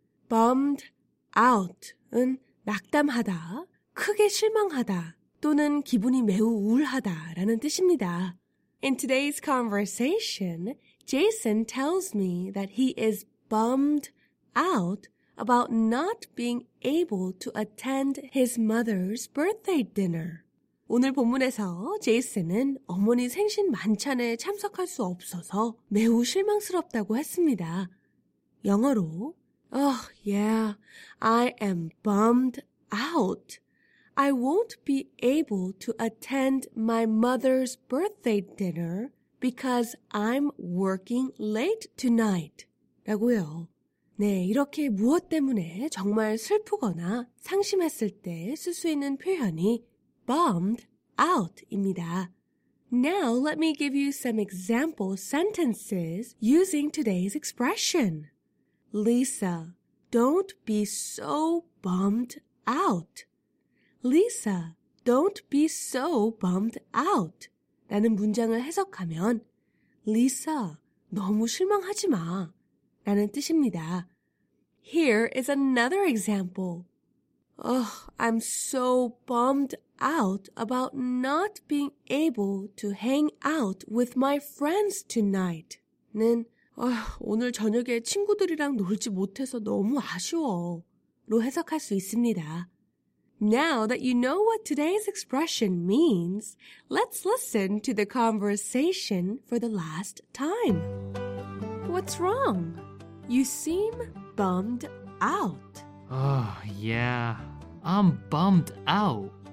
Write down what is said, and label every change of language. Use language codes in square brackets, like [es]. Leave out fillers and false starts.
[ko] Bummed out은 낙담하다, 크게 실망하다, 또는 기분이 매우 우울하다라는 뜻입니다. [en] In today's conversation, Jason tells me that he is bummed out about not being able to attend his mother's birthday dinner. [ko] 오늘 본문에서 제이슨은 어머니 생신 만찬에 참석할 수 없어서 매우 실망스럽다고 했습니다. 영어로 [en] Oh, yeah, I am bummed out. I won't be able to attend my mother's birthday dinner because I'm working late tonight. [ko] 라고요. 네, 이렇게 무엇 때문에 정말 슬프거나 상심했을 때 쓸 수 있는 표현이 bummed out입니다. [en] Now let me give you some example sentences using today's expression. Lisa, don't be so bummed out. Lisa, don't be so bummed out. [ko] 라는 문장을 해석하면 Lisa, 너무 실망하지 마. 라는 뜻입니다. [en] Here is another example. Ugh, I'm so bummed out about not being able to hang out with my friends tonight. [ko] 는 오늘 저녁에 친구들이랑 놀지 못해서 너무 아쉬워. 로 해석할 수 있습니다. [en] Now that you know what today's expression means, let's listen to the conversation for the last time. What's wrong? You seem bummed out. Yeah. I'm bummed out.